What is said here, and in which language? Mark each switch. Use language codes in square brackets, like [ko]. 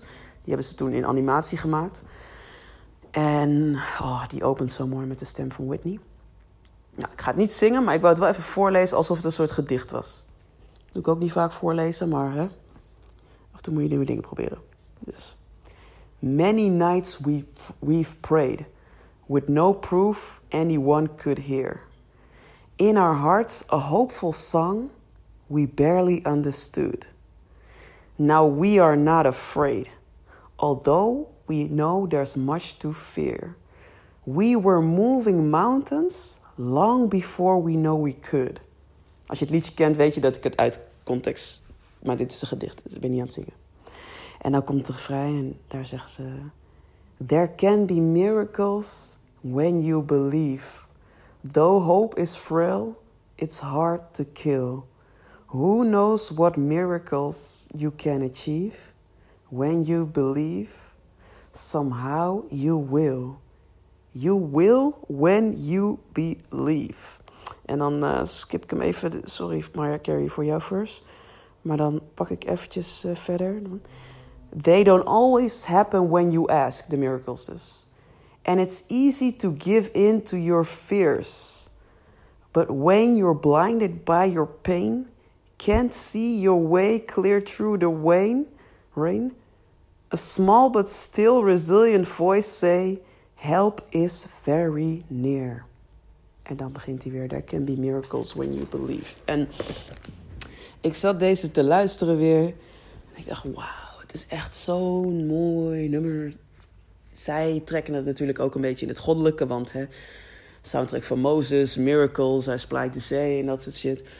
[nl] Die hebben ze toen in animatie gemaakt. En oh, die opent zo mooi met de stem van Whitney. Nou, ik ga het niet zingen, maar ik wou het wel even voorlezen alsof het een soort gedicht was. Doe ik ook niet vaak voorlezen, maar hè? Af en toe moet je nieuwe dingen proberen. Dus. [en] Many nights we've prayed, with no proof anyone could hear. In our hearts a hopeful song we barely understood. Now we are not afraid, although we know there's much to fear. We were moving mountains long before we know we could. [nl] Als je het liedje kent, weet je dat ik het uit context... Maar dit is een gedicht, dus ik ben niet aan het zingen. En dan komt het refrein en daar zeggen ze... [en] There can be miracles when you believe. Though hope is frail, it's hard to kill. Who knows what miracles you can achieve? When you believe, somehow you will. You will when you believe. [nl] En dan skip ik hem even. Sorry, Mariah Carey, voor jou first. Maar dan pak ik eventjes verder. [en] They don't always happen when you ask, the miracles is. And it's easy to give in to your fears. But when you're blinded by your pain, can't see your way clear through the rain, a small but still resilient voice say, help is very near. [nl] En dan begint hij weer, [en] there can be miracles when you believe. [nl] En ik zat deze te luisteren weer. En ik dacht, wauw, het is echt zo'n mooi nummer. Zij trekken het natuurlijk ook een beetje in het goddelijke. Want hè, soundtrack van Moses, miracles, hij splijt de zee en dat soort shit.